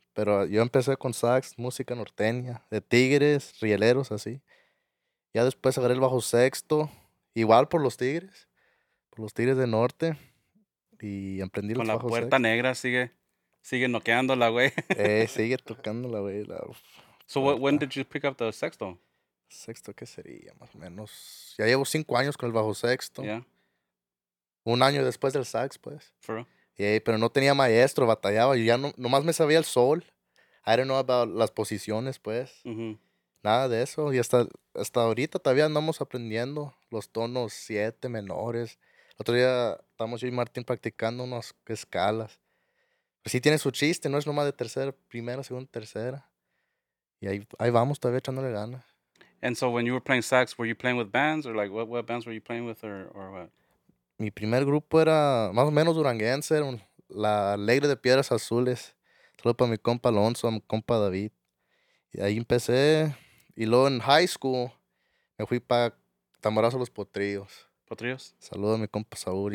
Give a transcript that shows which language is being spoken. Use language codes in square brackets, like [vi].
[es] Pero yo empecé con sax, música norteña, de Tigres, rieleros, así. Ya después agarré el bajo sexto, igual por los Tigres del Norte. Y aprendí con los bajos Con la puerta negra sigue noqueando la güey. Sigue tocando la güey. [en] So when did you pick up the sexto? [es] Sexto, ¿qué sería? Más o menos. Ya llevo 5 años con el bajo sexto. [en] Yeah. [es] Un año después del sax, pues. [en] For real. [es] Yeah, pero no tenía maestro, batallaba. Yo ya no, nomás me sabía el sol. [en] I didn't know about [es] las posiciones, pues. Mm-hmm. Nada de eso. Y hasta ahorita todavía andamos aprendiendo los tonos 7 menores. El otro día estamos yo y Martín practicando unas escalas. Pues sí tiene su chiste, no es nomás de tercera, primera, segunda, tercera. Y ahí vamos todavía echándole ganas. [en] And so when you were playing sax, were you playing with bands? Or like what bands were you playing with or what? [es] Mi primer grupo era más o menos duranguense, La Alegre de Piedras Azules. Solo para mi compa Alonso, mi compa David. Y ahí empecé. Y luego en high school me fui para Tamborazo Los Potrillos. ¿Potrillos? Saludo a mi compa Saúl.